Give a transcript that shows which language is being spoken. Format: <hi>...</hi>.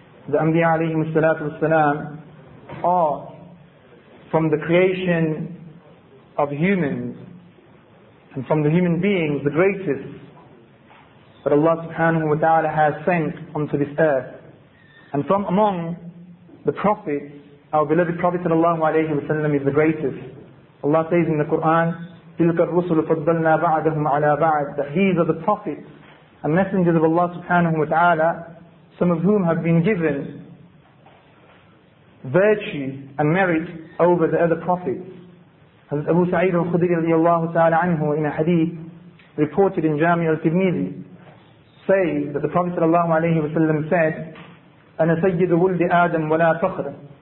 <en>The Anbiya alayhim salatu wasalam are from the creation of humans, and from the human beings, the greatest that Allah subhanahu wa ta'ala has sent onto this earth. And from among the prophets, our beloved Prophet sallallahu alayhi wa sallam is the greatest. Allah says in the Quran,</en> <ar>تِلْكَ الرُّسُلُ فَضَّلْنَا بَعْدَهُمْ عَلَىٰ بَعْدٍ.</ar> <en>That these are the prophets and messengers of Allah subhanahu wa ta'ala, some of whom have been given virtue and merit over the other prophets. Hazrat Abu Sa'id al-Khudri radiallahu ta'ala anhu, in a hadith reported in Jami' al-Tirmidhi, says that the Prophet sallallahu alayhi wa sallam said,</en> <ar>أَنَا سَيِّدُ وُلْدِ آدَمْ وَلَا فَخْرًا.</ar>